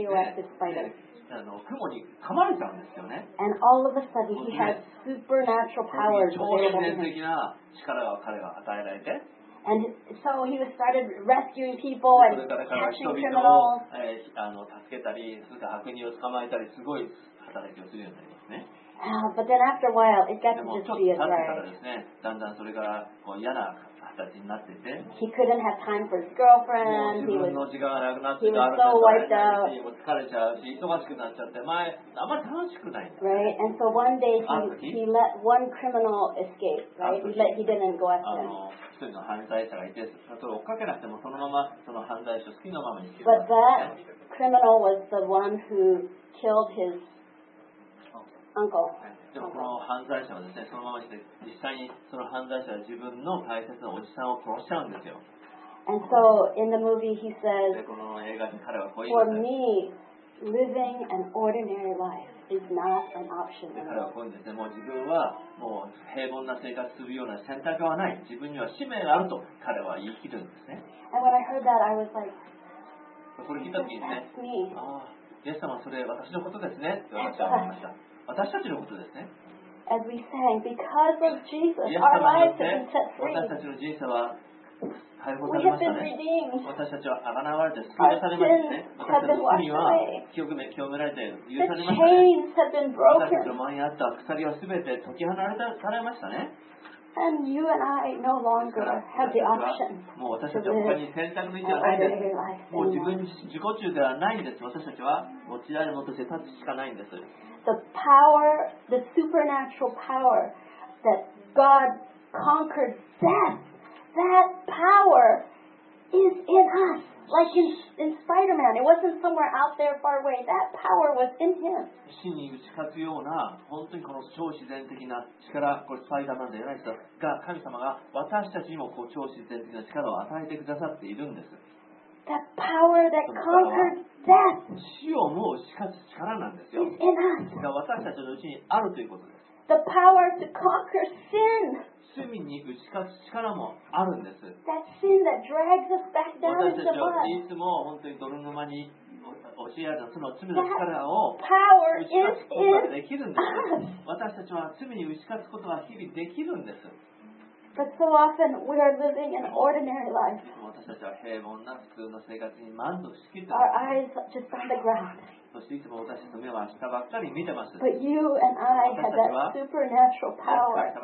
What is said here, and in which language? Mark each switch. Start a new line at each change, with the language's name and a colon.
Japanese: 雲に噛まれちゃうんですよね。
English: And all of a sudden, he has supernatural powers.
Japanese: 超自然的な力が彼が与えられて。
English: And so he was started rescuing people and catching criminals.
Japanese: 助けたり、それから悪人を捕まえたり、すごい働きをするようになりますね。
English: But then after a while, it got to just be a drag.
Japanese: だんだんそれからこう嫌な。
English: He couldn't have time for his girlfriend. He was so wiped out. Right, and so one day he let one criminal escape. Right, he didn't go after him.
Japanese: 一人の犯罪者がいて、それを追っかけなくてもそのままその犯罪者を好きなままに行
English: But that criminal was the one who killed his uncle.
Japanese: でもこの犯罪者はですね、そのままして実際にその犯罪者は自分の大切なおじさんを殺しちゃうんですよ。
English: And so in the movie he says, for me, living an ordinary life is not an option.
Japanese: 彼はこう言うんですね、もう自分はもう平凡な生活するような選択はない。自分には使命があると彼は言い切るんですね。
English: And when I heard that, I was like,
Japanese: それ聞いた時にね、ああ、イエス様それ私のことですねって私は思いました。私たちのことですね。
English: As we sang, because of Jesus, our lives have been set free.
Japanese: 私たちの人生は解放されましたね。
English: We have been redeemed.
Japanese: 私たちは贖われて救われましたね。私たちの罪は清められて許されましたね。
English: The chains have been broken.
Japanese: 私たちの前にあった鎖はすべて解き放たれましたね。
English: And you and I no longer have the option.
Japanese: もう私たちは他に選択の意思はないんです。もう自己中ではないんです。私たちは持ち合いのもとで立つしかないんです。
English: The power, the supernatural power that God conquered death, that power is in us. Like in Spider-Man, it wasn't somewhere out there far away. That power was in him.
Japanese: 死に打ち勝つような本当にこの超自然的な力、これスパイダーマンではない人が神様が私たちにもこう超自然的な力を与えてくださっているんです。
English: That power that conquered death.
Japanese: 死をもう打ち勝つ力なんですよ。
English: Is in us.
Japanese: 死が私たちのうちにあるということです。
English: The power to conquer sin.
Japanese: 罪に打ち勝つ力もあるんです。
English: That sin that drags us back down into the mud.
Japanese: 私たちはいつも本当に泥沼に押しやるその罪の力を打ち勝つことができるんです。私たちは罪に打ち勝つことは日々できるんです。
English: But so often we are living an ordinary life. Our eyes are just on the ground. But you and I have that supernatural power.